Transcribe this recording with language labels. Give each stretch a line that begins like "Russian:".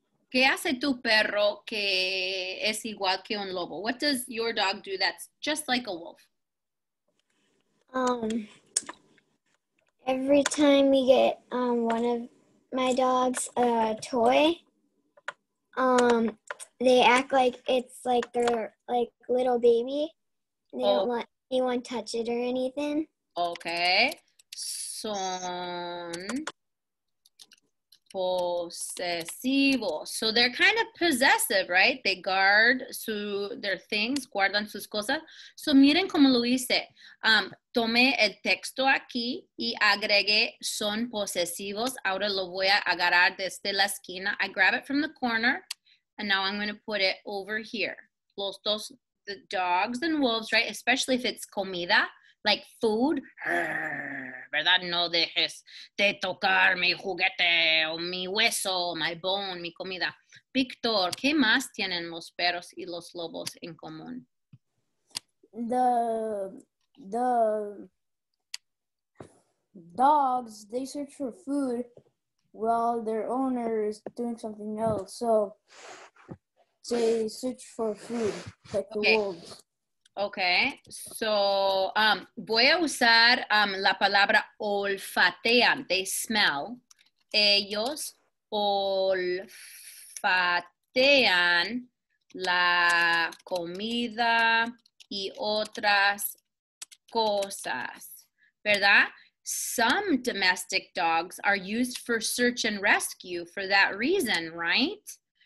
Spanish: ¿Qué hace tu perro que es igual que un lobo?
English: What does your dog do that's just like a wolf? Every time we get one of my dogs a toy, they act like it's like their like little baby. They don't let anyone touch it or anything.
Spanish: Okay. Son possessivos.
English: So they're kind of possessive, right? They guard su, their things,
Spanish: guardan sus cosas. So miren como lo hice. Tomé el texto aquí y agregué son posesivos. Ahora lo voy a agarrar desde la esquina.
English: I grab it from the corner and now I'm going to put it over here.
Spanish: Los dos,
English: the dogs and wolves, right? Especially if it's comida, like food.
Spanish: ¿Verdad? No dejes de tocar mi juguete o mi hueso,
English: my bone,
Spanish: mi comida. Víctor, ¿qué más tienen los perros y los lobos en común?
English: The dogs, they search for food while their owner is doing something else. So they search for food, like the wolves.
Spanish: Okay, so voy a usar la palabra olfatean.
English: They smell.
Spanish: Ellos olfatean la comida y otras cosas, ¿verdad?
English: Some domestic dogs are used for search and rescue for that reason, right?